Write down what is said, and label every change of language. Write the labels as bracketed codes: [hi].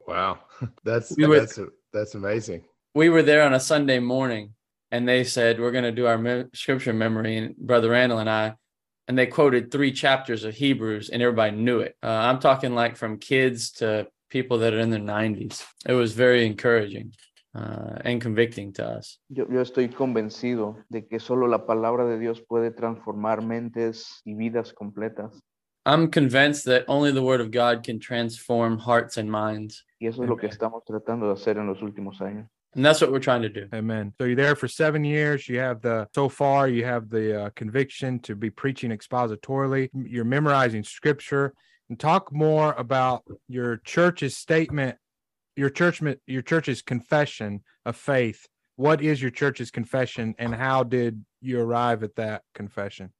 [en] Wow. That's amazing. We were there on a Sunday morning and they said, we're going to do our scripture memory, and Brother Randall and I, and they quoted three chapters of Hebrews and everybody knew it. I'm talking like from kids to people that are in their 90s. It was very encouraging. And convicting to us. [es] Yo estoy convencido de que solo la palabra de Dios puede transformar mentes y vidas completas. [en] I'm convinced that only the word of God can transform hearts and minds. [es] Y eso es lo que estamos tratando de hacer en los últimos años. [en] And that's what we're trying to do. Amen. So you're there for 7 years. You have the conviction to be preaching expositorily. You're memorizing scripture. And talk more about your church's statement. Your church's confession of faith. What is your church's confession, and how did you arrive at that confession?